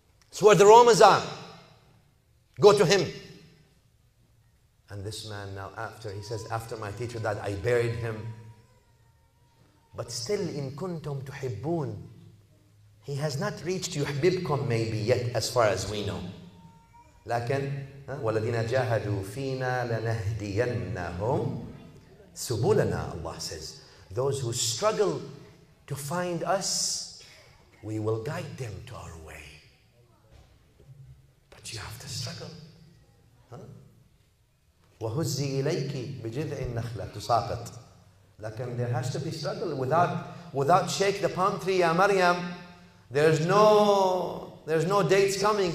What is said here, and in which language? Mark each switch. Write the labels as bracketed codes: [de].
[en] It's where the Romans are. Go to him. And this man now, after my teacher died, I buried him. But still, in kuntum tuhibbun, he has not reached yuhibbukum maybe yet, as far as we know. [ar] Lakin, وَالَّذِينَ جَاهَدُوا فِينَا لَنَهْدِيَنَّهُمْ سُبُولَنَا, [en] Allah says. Those who struggle to find us, we will guide them to our way. But you have to struggle. [ar] وَهُزِّي إِلَيْكِ بِجِذْعِ النَّخْلَةِ تُسَاقَطْ. [en] Lakin, there has to be struggle. Without shake the palm tree, Ya Maryam, there's no dates coming.